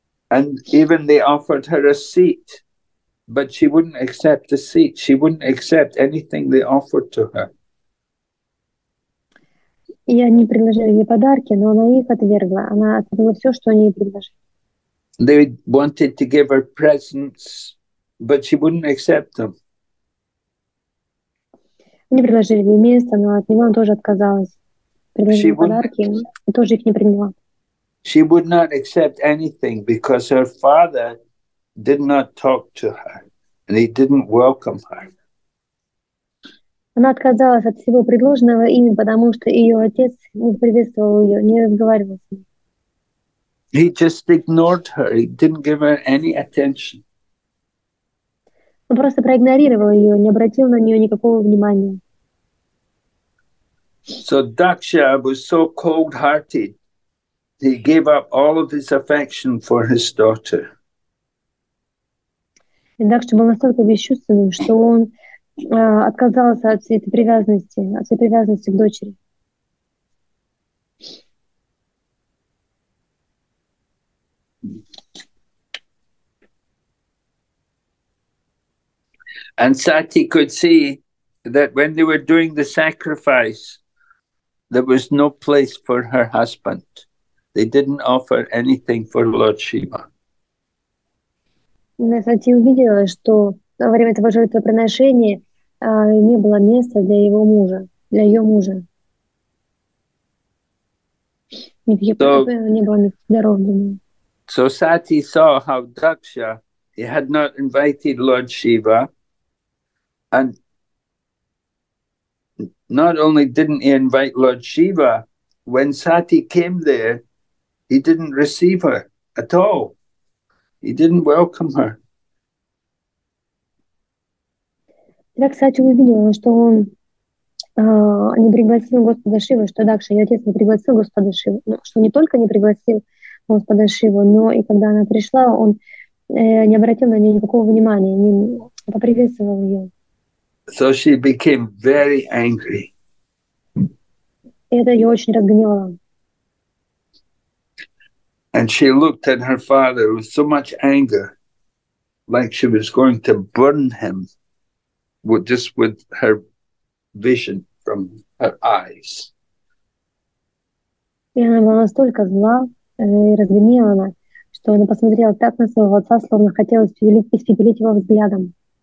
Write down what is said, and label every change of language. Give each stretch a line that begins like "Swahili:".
English: And even they offered her a seat, but she wouldn't accept a seat. She wouldn't accept anything they offered to her.
Russian: И они предложили ей подарки, но она их отвергла. Она отвергла все, что они ей предложили.
English: They wanted to give her presents, but she wouldn't accept them.
Russian: Они предложили ей место, но от него она тоже отказалась. Предложили подарки, и тоже их не приняла.
English: She would not accept anything because her father did not talk to her and he didn't welcome her.
Russian: Она отказалась от всего предложенного ими, потому что ее отец не приветствовал ее, не разговаривал с ней.
English: He just ignored her. He didn't give her any attention.
Russian: Он просто проигнорировал ее, не обратил на нее никакого внимания.
English: So Daksha was so cold-hearted, he gave up all of his affection for his daughter.
Russian: И Дакша был настолько бесчувственным, что он отказался от всей этой привязанности, от всей привязанности к дочери.
English: And Sati could see that when they were doing the sacrifice, there was no place for her husband. They didn't offer anything for Lord Shiva.
Russian: Но Сати увидела, что во время этого жертвоприношения не было места для его мужа, для ее мужа. Не было места для родины.
English: So Sati saw how Daksha he had not invited Lord Shiva. And not only didn't he invite Lord Shiva, when Sati came there, he didn't receive her at all. He didn't welcome her.
Russian: Итак, Сати увидела, что он не пригласил Господа Шивы, что Дакша, ее отец, не пригласил Господа Шивы, что не только не пригласил Господа Шивы, но и когда она пришла, он не обратил на нее никакого внимания, не поприветствовал ее.
English: So she became very angry.
Russian: Это ее очень разгневало.
English: And she looked at her father with so much anger. like she was going to burn him with just with her vision from her eyes.
Russian: И она была настолько зла и разгневана, что она посмотрела так на своего отца, словно хотела испепелить его взглядом.